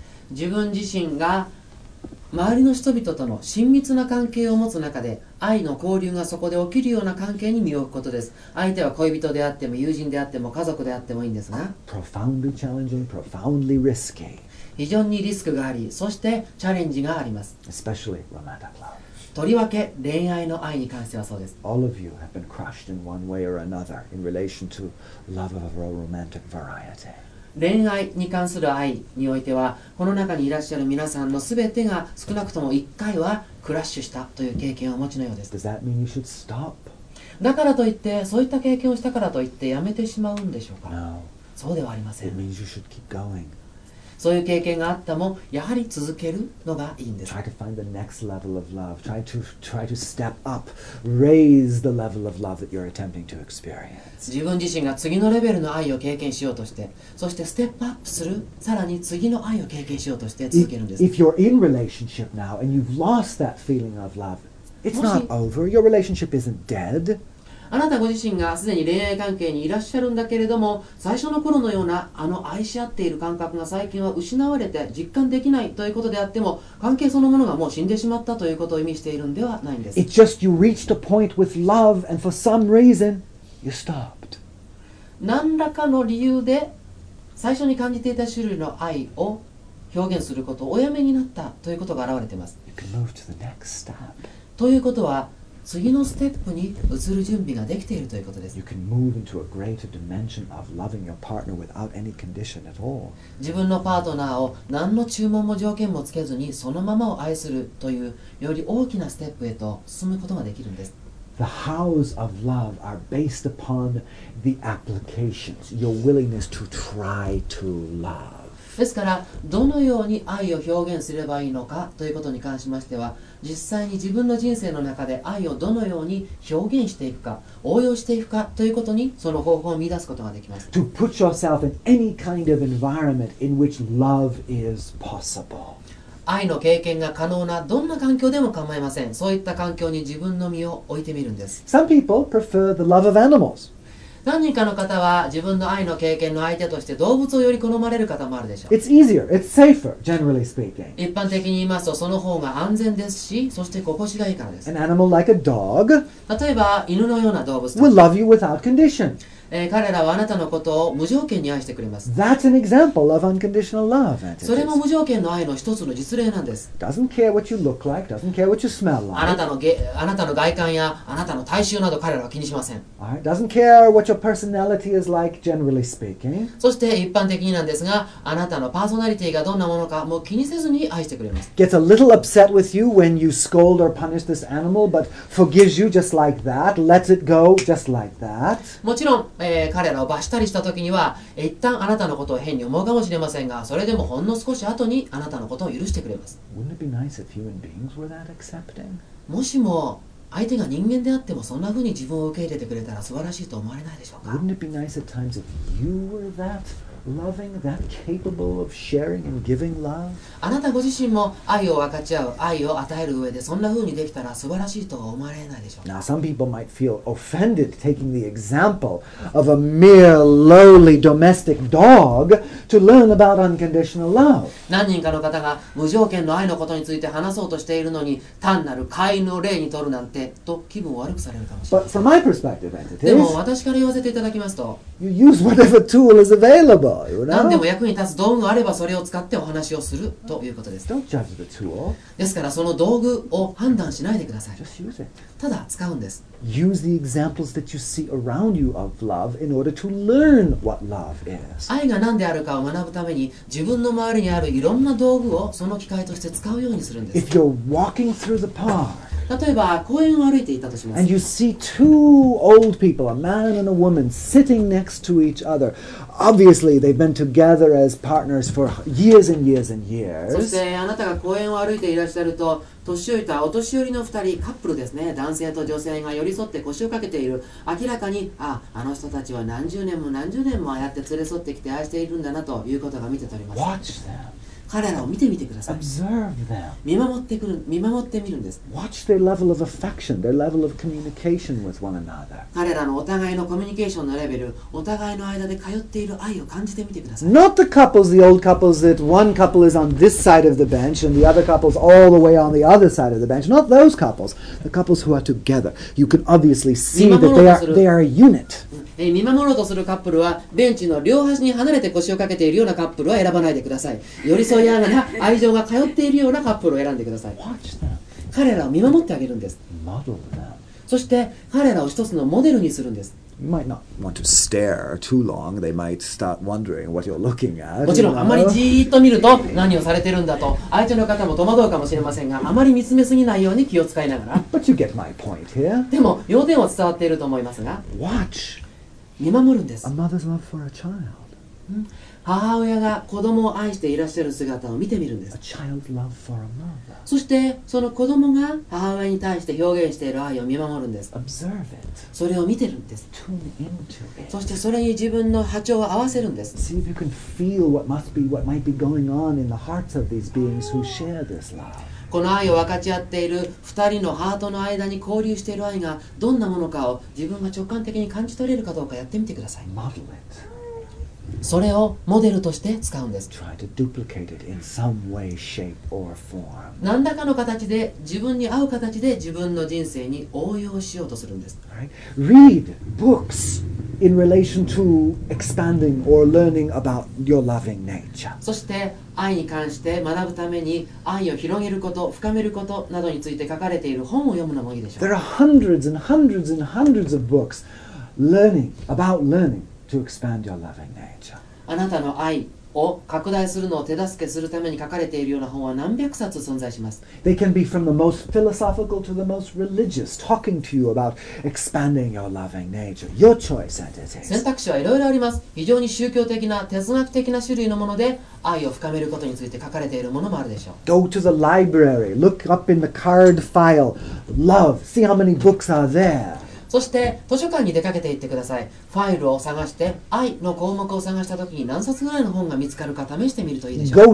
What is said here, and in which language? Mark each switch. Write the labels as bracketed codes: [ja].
[ja] 自分自身が周りの人々との親密な関係を持つ中で愛の交流がそこで起きるような関係に身を置くことです。相手は恋人であっても友人であっても家族であってもいいんですが、 [en] profoundly challenging, profoundly risky. [ja] 非常にリスクがあり、そしてチャレンジがあります。 [en] especially romantic love. [ja] とりわけ恋愛の愛に関してはそうです。 [en] All of you have been crushed in one way or another in relation to love of a romantic variety. [ja] 恋愛に関する愛においては、この中にいらっしゃる皆さんのすべてが少なくとも1回はクラッシュしたという経験をお持ちのようです。 [en] Does that mean you should stop? [ja] だからといって、そういった経験をしたからといってやめてしまうんでしょうか？ [en] No. [ja] そうではありません。 [en] It means you should keep going. [ja] そういう経験があったも、やはり続けるのがいいんです。 [en] Try to find the next level of love. Try to step up. Raise the level of love that you're attempting to experience. [ja] 自分自身が次のレベルの愛を経験しようとして、そしてステップアップする、さらに次の愛を経験しようとして続けるんです。 [en] If you're in relationship now and you've lost that feeling of love, it's not over. Your relationship isn't dead. [ja] あなたご自身がすでに恋愛関係にいらっしゃるんだけれども、最初の頃のようなあの愛し合っている感覚が最近は失われて実感できないということであっても、関係そのものがもう死んでしまったということを意味しているんではないんです。 [en] It's just you reached a point with love and for some reasonYou stopped. [ja] 何らかの理由で最初に感じていた種類の愛を表現することをおやめになったということが現れています。 [en] You can move to the next step. [ja] ということは次のステップに移る準備ができているということです。 [en] You can move into a greater dimension of loving your partner without any condition at all. [ja] 自分のパートナーを何の注文も条件もつけずにそのままを愛するというより大きなステップへと進むことができるんです。 [en] The hows of love are based upon the applications, your willingness to try to love. [ja] ですからどのように愛を表現すればいいのかということに関しましては実際に自分の人生の中で愛をどのように表現していくか応用していくかということにその方法を見出すことができます。 [en] To put yourself in any kind of environment in which love is possible. [ja] 愛の経験が可能な、どんな環境でも構いません。そういった環境に自分の身を置いてみるんです。 [en] Some people prefer the love of animals. [ja] 何人かの方は自分の愛の経験の相手として動物をより好まれる方もあるでしょう。 [en] It's easier, it's safer, generally speaking. [ja] 一般的に言いますとその方が安全ですし、そして心地がいいからです。 [en] An animal like a dog, [ja] 例えば犬のような動物たち [en] will love you without condition. [ja] 彼らはあなたのことを無条件に愛してくれます。 [en] That's an example of unconditional love. [ja] それも無条件の愛の一つの実例なんです。 [en] Doesn't care what you look like, doesn't care what you smell like. [ja] あなたの外観やあなたの体臭など彼らは気にしません。 [en] Alright, doesn't care what your personality is like, generally speaking. [ja] そして一般的になんですが、あなたのパーソナリティがどんなものかもう気にせずに愛してくれます。 [en] Gets a little upset with you when you scold or punish this animal, but forgives you just like that, lets it go just like that. [ja] もちろん彼らを罰したりした時には一旦あなたのことを変に思うかもしれませんが、それでもほんの少し後にあなたのことを許してくれます。 [en] Wouldn't it be nice if human beings were that accepting? [ja] もしも相手が人間であってもそんな風に自分を受け入れてくれたら素晴らしいと思われないでしょうか。 [en] Wouldn't it be nice at times if you were that loving, that capable of sharing and giving love? [ja] あなたご自身も愛を分かち合う、愛を与える上でそんな風にできたら素晴らしいと思われないでしょうか。 [en] Now some people might feel offended taking the example of a mere lowly domestic dog to learn about unconditional love. [ja] 何人かの方が無条件の愛のことについて話そうとしているのに単なる飼いの例にとるなんてと気分を悪くされるかもしれません。 [en] But from my perspective, [ja] でも私から言わせていただきますと、 [en] You use whatever tool is available. [ja] 何でも役に立つ道具があればそれを使ってお話をするということです。 [en] Don't judge the tool. [ja] ですからその道具を判断しないでください。ただ使うんです。 [en] Use the examples that you see around you of love in order to learn what love is. [ja] 愛が何であるかを学ぶために自分の周りにあるいろんな道具をその機会として使うようにするんです。 [en] If you're walking through the park. [ja] 例えば公園を歩いていたとします。 [en] And you see two old people, a man and a woman, sitting next to each other. Obviously, they've been together as partners for years and years and years. [ja] そしてあなたが公園を歩いていらっしゃると、年老いたお年寄りの二人、カップルですね、男性と女性が寄り添って腰をかけている。明らかに、あの人たちは何十年も何十年もああやって連れ添ってきて愛しているんだなということが見て取れます。 [en] Watch them. [ja] 彼らを見てみてください。 [en] Observe them. [ja] 見守ってみるんです。 [en] Watch their level of affection, their level of communication with one another. [ja] 彼らのお互いのコミュニケーションのレベル、お互いの間で通っている愛を感じてみてください。 [en] Not the couples, the old couples that one couple is on this side of the bench and the other couple's all the way on the other side of the bench. Not those couples. The couples who are together. You can obviously see that they are a unit. [ja] 見守ろうとするカップルはベンチの両端に離れて腰をかけているようなカップルは選ばないでください。より愛情が通っているようなカップルを選んでください。彼らを見守ってあげるんです。そして彼らを一つのモデルにするんです。 [en] You might not want to stare too long. They might start wondering what you're looking at. [ja] もちろんあまりじーっと見ると何をされてるんだと相手の方も戸惑うかもしれませんが、あまり見つめすぎないように気を使いながら。 [en] But you get my point here. [ja] でも要点は伝わっていると思いますが。 [en] Watch. [ja] 見守るんです。 [en] A mother's love for a child. [ja] 母親が子供を愛していらっしゃる姿を見てみるんです。 [en] A child love for a mother. [ja] そしてその子供が母親に対して表現している愛を見守るんです。 [en] Observe it. [ja] それを見てるんです。 [en] Tune into it. [ja] そしてそれに自分の波長を合わせるんです。 [en] See if you can feel what must be, what might be going on in the hearts of these beings who share this love. [ja] この愛を分かち合っている2人のハートの間に交流している愛がどんなものかを自分が直感的に感じ取れるかどうかやってみてください。 [en] Model it. [ja] それをモデルとして使うんです。 [en] Try to duplicate it in some way, shape, or form. [ja] 何らかの形で自分に合う形で自分の人生に応用しようとするんです。 [en] Read books in relation to expanding or learning about your loving nature. [ja] そして愛に関して学ぶために愛を広げること、深めることなどについて書かれている本を読むのもいいでしょう。 [en] There are hundreds and hundreds and hundreds of books learning about learning to expand your loving nature. [ja] あなたの愛を拡大するのを手助けするために書かれているような本は何百冊存在します。 [en] They can be from the most philosophical to the most religious talking to you about expanding your loving nature. Your choice, as it is. [ja] 選択肢はいろいろあります。非常に宗教的な、哲学的な種類のもので愛を深めることについて書かれているものもあるでしょう。 [en] Go to the library. Look up in the card file. Love. See how many books are there. [ja] そして図書館に出かけて行ってください。ファイルを探して愛の項目を探したときに何冊ぐらいの本が見つかるか試してみるといいでしょう。